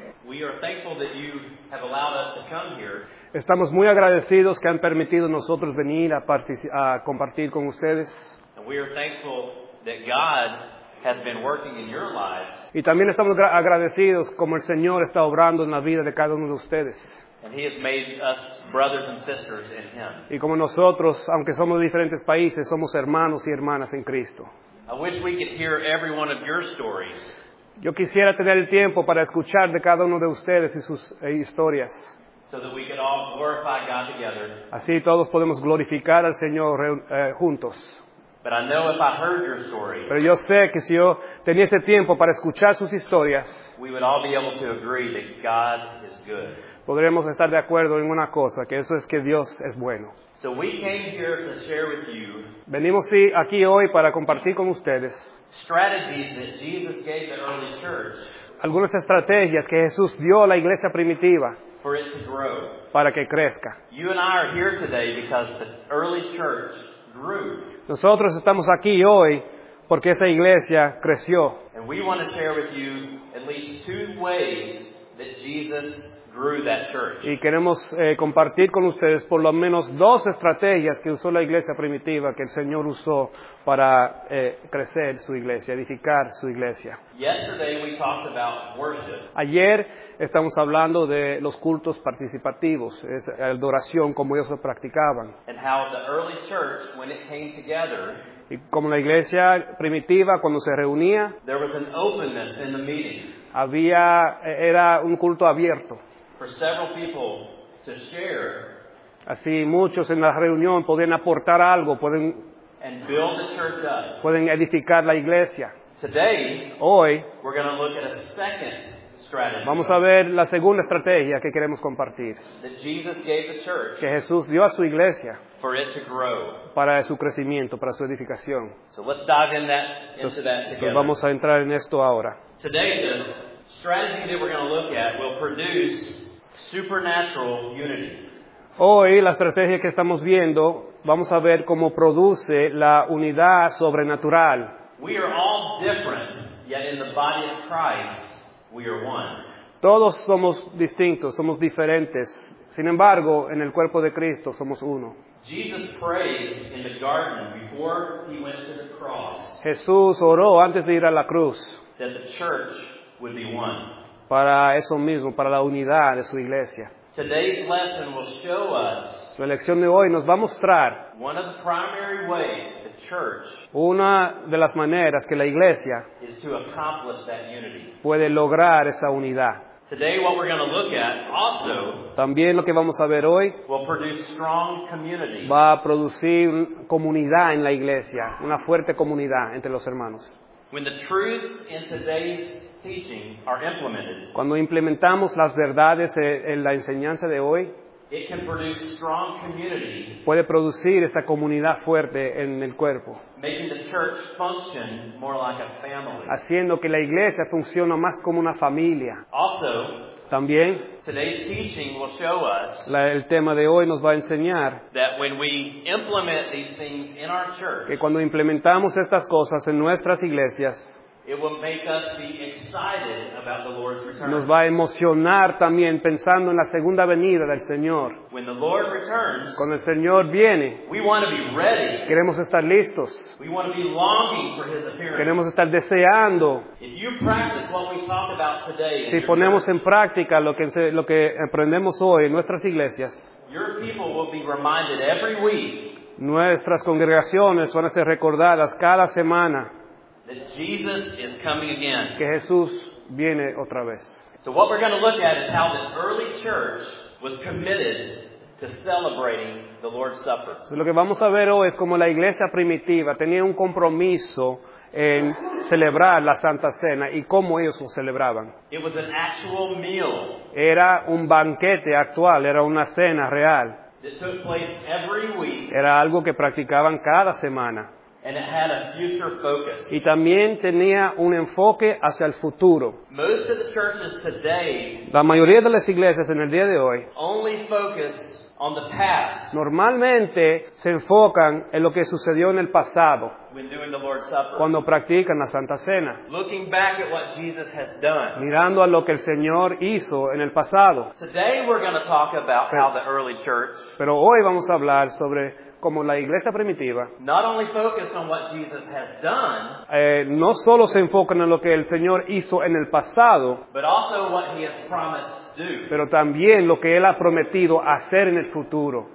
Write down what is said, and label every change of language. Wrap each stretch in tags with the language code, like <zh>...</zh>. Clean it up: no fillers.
<en>We are thankful that you have allowed us to come here.</en> <es>Estamos muy agradecidos que han permitido nosotros venir a compartir con ustedes.</es> <en>And we are thankful that God has been working in your lives.</en> <es>Y también estamos agradecidos como el Señor está obrando en la vida de cada uno de ustedes.</es> <en>And he has made us brothers and sisters in him.</en> <es>Y como nosotros, aunque somos de diferentes países, somos hermanos y hermanas en Cristo.</es> <en>I wish we could hear every one of your stories.</en> <es>Yo quisiera tener el tiempo para escuchar de cada uno de ustedes y sus historias.</es> <en>So that we could all glorify God together.</en> <es>Así todos podemos glorificar al Señor juntos.</es> <en>But I know if I heard your story,</en> <es>pero yo sé que si yo tenía ese tiempo para escuchar sus historias,</es> <en>we would all be able to agree that God is good.</en> <es>Podríamos estar de acuerdo en una cosa, que eso es que Dios es bueno.</es> <en>So we came here to share with you,</en> <es>venimos sí, aquí hoy para compartir con ustedes</es> <en>strategies that Jesus gave the early church,</en> <es>algunas estrategias que Jesús dio a la iglesia primitiva</es> <en>for it to grow.</en> <es>Para que crezca.</es> <en>You and I are here today because the early church grew.</en> <es>Nosotros estamos aquí hoy porque esa iglesia creció.</es> <en>And we want to share with you at least two ways that Jesus grew that church.</en> <es>Y queremos compartir con ustedes por lo menos dos estrategias que usó la iglesia primitiva que el Señor usó para crecer su iglesia, edificar su iglesia.</es> <en>Yesterday we talked about worship.</en> <es>Ayer estamos hablando de los cultos participativos, es adoración como ellos lo practicaban.</es> <en>And how the early church, when it came together,</en> <es>y como la iglesia primitiva cuando se reunía,</es> <en>there was an openness in the meeting.</en> <es>Era un culto abierto.</es> <en>For several people to share.</en> <es>Así muchos en la reunión pueden aportar algo, pueden,</es> <en>and build the church up.</en> <es>Pueden edificar la iglesia.</es> <en>Today,</en> <es>hoy,</es> <en>we're going to look at a second strategy.</en> <es>Vamos a ver la segunda estrategia que queremos compartir.</es> <en>That Jesus gave the church.</en> <es>Que Jesús dio a su iglesia.</es> <en>For it to grow.</en> <es>Para su crecimiento, para su edificación.</es> <en>So let's dive into that together.</en> <es>Vamos a entrar en esto ahora.</es> <en>Today, the strategy that we're going to look at will produce supernatural unity.</en> <es>Hoy, la estrategia que estamos viendo vamos a ver cómo produce la unidad sobrenatural.</es> <en>We are all different, yet in the body of Christ, we are one.</en> <es>Todos somos distintos, somos diferentes. Sin embargo, en el cuerpo de Cristo somos uno.</es> <en>Jesus prayed in the garden before he went to the cross.</en> <es>Jesús oró antes de ir a la cruz.</es> <en>That the church would be one.</en> <es>Para eso mismo, para la unidad de su iglesia.</es> <en>Today's lesson will show us.</en> <es>La lección de hoy nos va a mostrar</es> <en>one of the primary ways the church</en> <es>una de las maneras que la iglesia</es> <en>is to accomplish that unity.</en> <es>Puede lograr esa unidad.</es> <en>Today what we're going to look at also</en> <es>también lo que vamos a ver hoy</es> <en>will produce strong community.</en> <es>Va a producir comunidad en la iglesia, una fuerte comunidad entre los hermanos.</es> <en>When the truths in today's teaching are implemented,</en> <es>cuando implementamos las verdades en la enseñanza de hoy,</es> <en>it can produce strong community,</en> <es>puede producir esta comunidad fuerte en el cuerpo,</es> <en>making the church function more like a family,</en> <es>haciendo que la iglesia funcione más como una familia.</es> <en>Also,</en> <es>también,</es> <en>today's teaching will show us</en> <es>el tema de hoy nos va a enseñar</es> <en>that when we implement these things in our church,</en> <es>que cuando implementamos estas cosas en nuestras iglesias,</es> <en>it will make us be excited about the Lord's return.</en> <es>Nos va a emocionar también pensando en la segunda venida del Señor.</es> <en>When the Lord returns,</en> <es>cuando el Señor viene,</es> <en>we want to be ready.</en> <es>Queremos estar listos.</es> <en>We want to be longing for his appearance.</en> <es>Queremos estar deseando.</es> <en>If you practice what we talk about today,</en> <es>si ponemos en práctica lo que aprendemos hoy en nuestras iglesias,</es> <en>your people will be reminded every week.</en> <es>Nuestras congregaciones van a ser recordadas cada semana.</es> <en>That Jesus is coming again.</en> <es>Que Jesús viene otra vez.</es> <en>So what we're going to look at is how the early church was committed to celebrating the Lord's Supper.</en> <es>So lo que vamos a ver hoy es cómo la iglesia primitiva tenía un compromiso en celebrar la Santa Cena y cómo ellos lo celebraban.</es> <en>It was an actual meal.</en> <es>Era un banquete actual, era una cena real.</es> <en>It took place every week.</en> <es>Era algo que practicaban cada semana.</es> <en>And it had a future focus.</en> <es>Y también tenía un enfoque hacia el futuro.</es> <en>Most of the churches today,</en> <es>la mayoría de las iglesias en el día de hoy,</es> <en>only focus on the past.</en> <es>Normalmente se enfocan en lo que sucedió en el pasado.</es> <en>When doing the Lord's Supper.</en> <es>Cuando practican la Santa Cena.</es> <en>Looking back at what Jesus has done.</en> <es>Mirando a lo que el Señor hizo en el pasado.</es> <en>Today we're going to talk about how the early church.</en> <es>Pero hoy vamos a hablar sobre como la iglesia primitiva</es> <en>not only focused on what Jesus has done,</en> <es>no solo se enfocan en lo que el Señor hizo en el pasado,</es> <en>but also what he has promised to do.</en> <es>Pero también lo que Él ha prometido hacer en el futuro.</es>